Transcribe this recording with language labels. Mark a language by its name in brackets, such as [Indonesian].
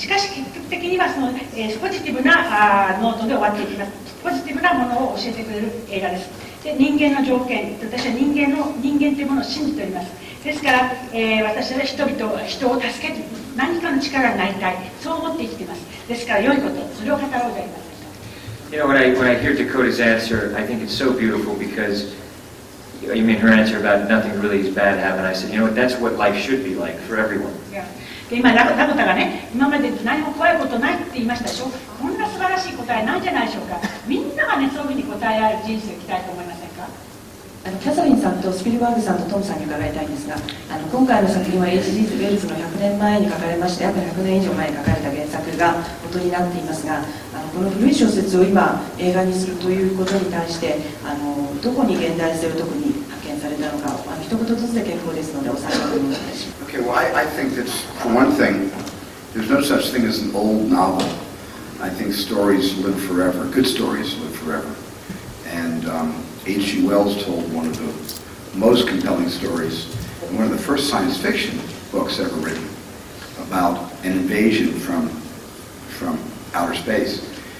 [Japanese] しかし結局的にはその、ポジティブなノートで終わっていきます。ポジティブなものを教えてくれる映画です。で、人間の条件、私は人間というものを信じております。ですから、私は人を助ける何かの力になりたい、そう思って生きています。ですから良いこと、それを語ろうと言います。 [English] You know, when I hear Dakota's answer, I think it's so beautiful becauseYou mean her answer about nothing really is bad happening? I said, you know, that's what life should be like for everyone. Yeah. [Japanese] 今、ダコタがね、今まで何も怖いことないって言いましたでしょ。こんな素晴らしい答えないじゃないでしょうか。みんながね、そういうふうに答えある人生を生きたいと思いませんか。キャサリンさんとスピルバーグさんとトムさんに伺いたいんですが、今回の作品は H.G. ウェルズの100年前に書かれまして、約100年以上前に書かれた原作が元になっていますが、この古い小説を今映画にするということに対して、どこに現代性を特に発見されたのか、一言ずつで結構ですので、お三方にお願いします。 [English] Okay, well, I think that for one thing, there's no such thing as an old novel. I think stories live forever, good stories live forever. And H.G. Wells told one of the most compelling stories, one of the first science fiction books ever written, about an invasion from outer space.